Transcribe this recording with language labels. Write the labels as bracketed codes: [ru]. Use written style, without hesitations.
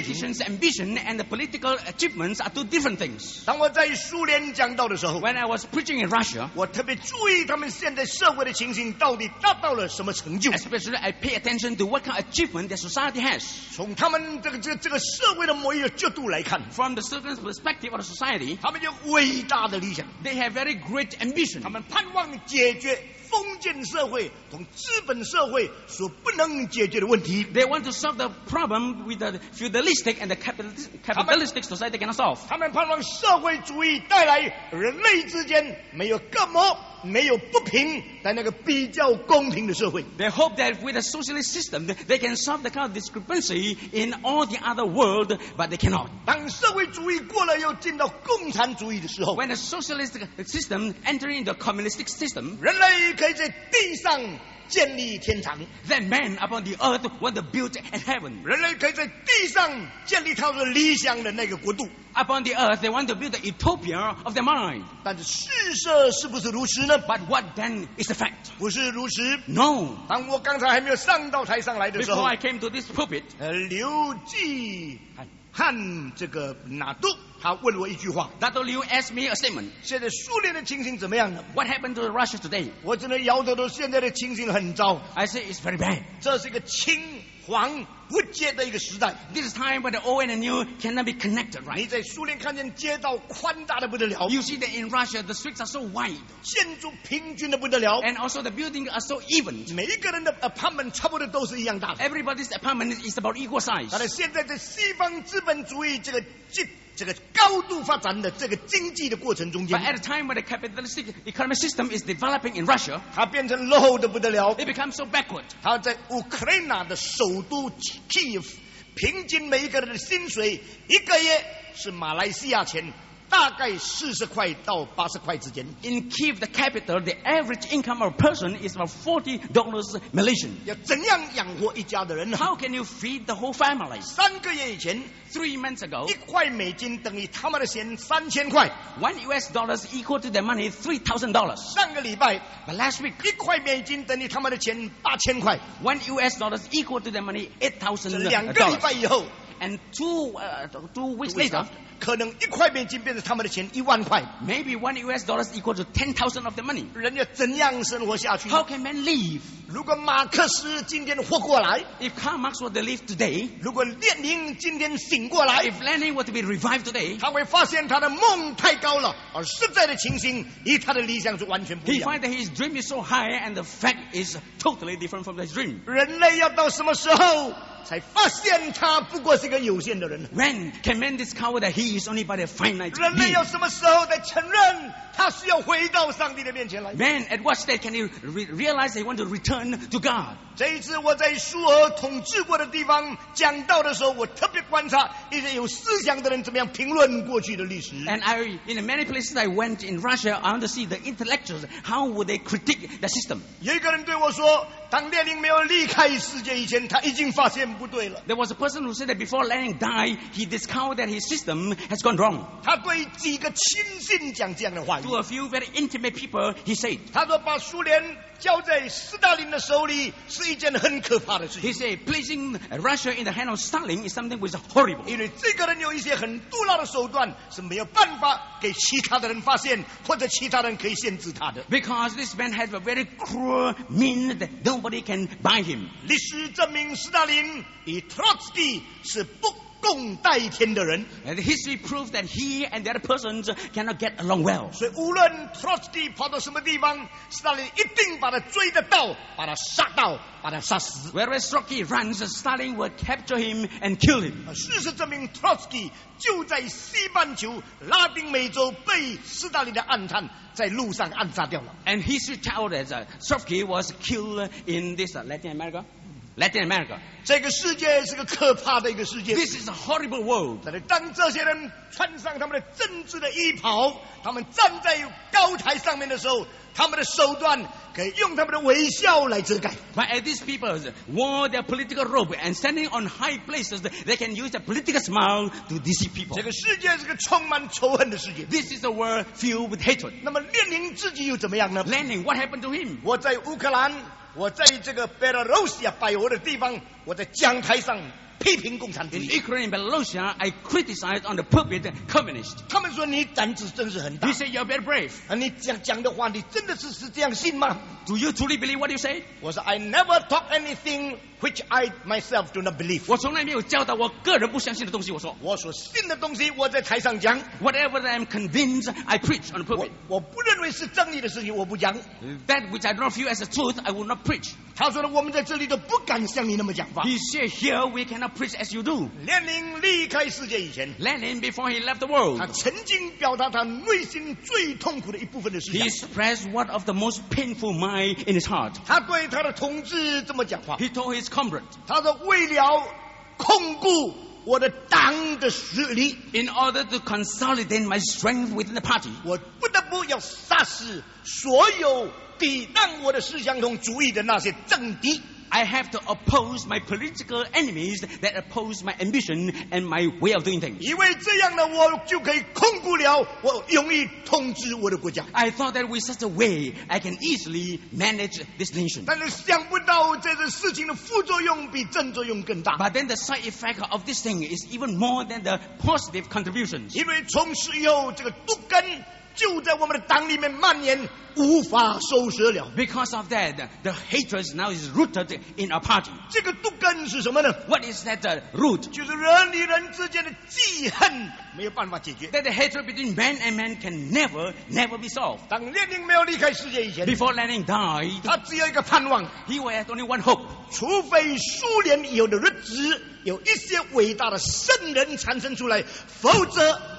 [en] The politician's ambition and the political achievements are two different things. [zh] 当我在苏联讲道的时候, [en] when I was preaching in Russia, [zh] 我特别注意他们现在社会的情形到底达到了什么成就。 [en] Especially I pay attention to what kind of achievement their society has. [zh] 从他们这个社会的模样角度来看, [en] from the certain perspective of the society, [zh] 他们有伟大的理想, [en] they have very great ambition. [zh] 他们盼望解决 封建社会同资本社会所不能解决的问题。 [en] They want to solve the problem with the feudalistic and the capitalistic society cannot solve. [zh] 他们盼望社会主义带来人类之间没有隔膜、没有不平，在那个比较公平的社会。 [en] They hope that with a socialist system, they can solve the kind of discrepancy in all the other world, but they cannot. [zh] 当社会主义过了又进到共产主义的时候, [en] when a socialist system enters into a communistic system, [zh] 人类可可以在地上建立天堂。 [en] That man upon the earth want to build a heaven. [zh] 人类可以在地上建立他们理想的那个国度。 [en] Upon the earth, they want to build the utopia of their mind. [zh] 但是事实是不是如此呢 [en] ？But what then is the fact? [zh] 不是如此。 [en] No. [zh] 当我刚才还没有上到台上来的时候 [en] ，Before I came to this pulpit, [zh] 刘继汉这个纳杜。他问我一句话 [en] Dr. Liu asked me a statement [zh] 现在苏联的情形怎么样呢 [en] What happened to Russia today? [zh] 我只能摇头说现在的情形很糟 [en] I say it's very bad [zh] 这是一个青黄不接的一个时代 [en] This is time when the old and the new cannot be connected, right? [zh] 你在苏联看见街道宽大的不得了 [en] You see that in Russia the streets are so wide [zh] 建筑平均的不得了 [en] And also the buildings are so even [zh] 每一个人的 apartment 差不多都是一样大的 [en] Everybody's apartment is about equal size [zh] 但是现在在西方资本主义这个这个高度发展的这个经济的过程中间 [en] But at a time when the capitalistic economic system is developing in Russia [zh] 它变成落后的不得了 [en] It becomes so backward [zh] 它在 Ukraine 的首都 Kiev 平均每一个人的薪水一个月是马来西亚钱大概40块到80块之间 [en] In Kiev the capital the average income of a person is about $40 Malaysian [zh] 要怎样养活一家的人呢 [en] How can you feed the whole family [zh] 三个月以前 [en] 3 months ago [zh] 一块美金等于他们的钱3000块 [en] 1 US dollars equal to their money $3,000 [zh] 上个礼拜 [en] But last week [zh] 一块美金等于他们的钱8000块 [en] 1 US dollars equal to their money $8,000 [zh] 两个礼拜以后 [en] And two weeks later [zh] 可能一块美金变成他们的钱10000块 [en] Maybe one US dollars equal to 10,000 of the money [zh] 人家怎样生活下去 [en] How can man live [zh] 如果马克思今天活过来 [en] If Karl Marx were to live today [zh] 如果列宁今天醒过来 [en] If Lenin were to be revived today [zh] 他会发现他的梦太高了而实在的情形与他的理想是完全不一样 [en] He finds that his dream is so high and the fact is totally different from his dream [zh] 人类要到什么时候才发现他不过是个有限的人。 [en] When can man discover that he is only but a finite being? [zh] 人类要什么时候才承认他需要回到上帝的面前来 [en] ？Man, at what stage can he realize he want to return to God? [zh] 这一次我在苏俄统治过的地方讲道的时候，我特别观察一些有思想的人怎么样评论过去的历史。 [en] And I, in many places I went in Russia, I want to see the intellectuals how would they critique the system. [zh] 有一个人对我说。当列宁没有离开世界以前，他已经发现不对了。 [en] There was a person who said that before Lenin died, he discovered that his system has gone wrong. [zh] 他对几个亲信讲这样的话语。 [en] To a few very intimate people, he said. [zh] 他说把苏联交在斯大林的手里是一件很可怕的事情。 [en] He said placing Russia in the hand of Stalin is something which is horrible. [zh] 因为这个人有一些很毒辣的手段，是没有办法给其他的人发现，或者其他人可以限制他的。 [en] Because this man has a very cruel mean that nobody can buy him. [zh] 历史证明，斯大林与 Trotsky 是不共戴天的人。 [en] And history proves that he and the other persons cannot get along well. [zh] 所以无论 Trotsky 跑到什么地方，斯大林一定把他追得到，把他杀到，把他杀死。 [en] Whereas Trotsky runs, Stalin will capture him and kill him. [zh] 事实证明 ，Trotsky 就在西半球拉丁美洲被斯大林的暗探在路上暗杀掉了。 [en] And history tells us that Trotsky was killed in this Latin America. [zh] 这个世界是个可怕的一个世界。 [en] This is a horrible world. [zh] 但是当这些人穿上他们的政治的衣袍，他们站在高台上面的时候，他们的手段可以用他们的微笑来遮盖。 [en] But as these people wore their political robe and standing on high places, they can use their political smile to deceive people. [zh] 这个世界是个充满仇恨的世界。 [en] This is a world filled with hatred. [zh] 那么列宁自己又怎么样呢 [en] ？Lenin, what happened to him? [zh] 我在乌克兰。我在这个 Belarusia 拜我的地方，我在讲台上批评共产主义。 [en] In Ukraine, Belarusia, I criticized on the pulpit communist. [zh] 他们说你胆子真是很大。 [en] He said you're very brave. [zh] 你讲的话，你真的是这样信吗 [en] ？Do you truly believe what you say? [zh] 我说 [en] I never talk anything which I myself do not believe. [zh] 我从来没有教导我个人不相信的东西。我说我所信的东西，我在台上讲。 [en] Whatever that I'm convinced, I preach on the pulpit. [zh] 我不认为是正义的事情，我不讲。 [en] That which I do not feel as a truth, I will not preach. [zh] 他说我们在这里都不敢像你那么讲吧。 [en] He said here we cannot preach as you do. [zh] Lenin 离开世界以前 [en] ，Lenin before he left the world， [zh] 他曾经表达他内心最痛苦的一部分的事情。 [en] He expressed what of the most painful mind in his heart. [zh] 他对他的同志这么讲话。 [en] He told his comrade， [zh] 他说为了巩固我的党的实力 [en] ，in order to consolidate my strength within the party， [zh] 我不得不要杀死所有。抵挡我的思想同主义的那些政敌。 [en] I have to oppose my political enemies that oppose my ambition and my way of doing things. [zh] 因为这样呢，我就可以控制了，我容易统治我的国家。 [en] I thought that with such a way, I can easily manage this nation. [zh] 但是想不到这个事情的副作用比正作用更大。 [en] But then the side effect of this thing is even more than the positive contributions. [zh] 因为从此以后，这个毒根就在我们的党里面蔓延，无法收拾了。 [en] Because of that, the hatred now is rooted in our party. [zh] 这个毒根是什么呢 [en] ？What is that root? [zh] 就是人与人之间的记恨没有办法解决。 [en] That the hatred between man and man can never be solved. [zh] 当列宁没有离开世界以前 [en] ，Before Lenin died， [zh] 他只有一个盼望 [en] ，He had only one hope。 [zh] 除非苏联以后的日子有一些伟大的圣人产生出来，否则。